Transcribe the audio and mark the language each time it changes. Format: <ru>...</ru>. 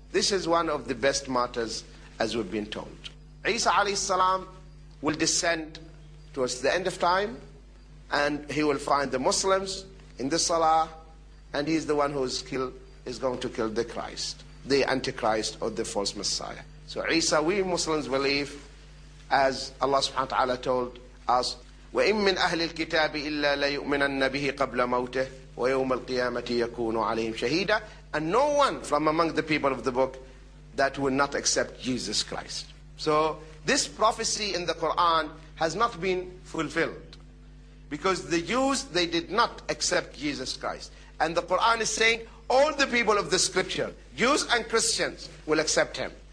<en>This is one of the best martyrs, as we've been told. Isa alayhi salam will descend towards the end of time, and he will find the Muslims in the Salah, and he is the one who is going to kill the Christ, the Antichrist or the false Messiah. So Isa, we Muslims believe, as Allah subhanahu wa ta'ala told, as</en> <ar>وَإِن مِّنْ أَهْلِ الْكِتَابِ إِلَّا لَيُؤْمِنَنَّ بِهِ قَبْلَ مَوْتِهِ وَيَوْمَ الْقِيَامَةِ يَكُونُ عَلَيْهِمْ شَهِيدًا.</ar> <en>And no one from among the people of the book that will not accept Jesus Christ. So this prophecy in the Quran has not been fulfilled, because the Jews, they did not accept Jesus Christ. And the Quran is saying all the people of the scripture, Jews and Christians, will accept him.</en>